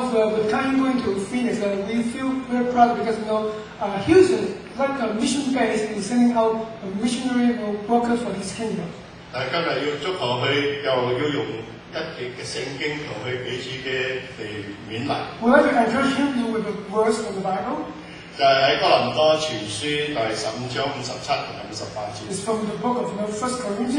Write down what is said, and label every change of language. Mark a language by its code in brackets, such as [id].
[en] With Kai going to Phoenix, we feel very proud because you know, Houston like a mission base in sending out a missionary worker for his kingdom. [yue] 但今日要祝賀佢，又要用一節嘅聖經同佢彼此嘅嚟勉勵。 [en] Would you like to address him with the words of the Bible? [yue] 就係喺哥林多前書第十五章五十七同埋五十八節。 [en] It's from the book of the First Corinthians.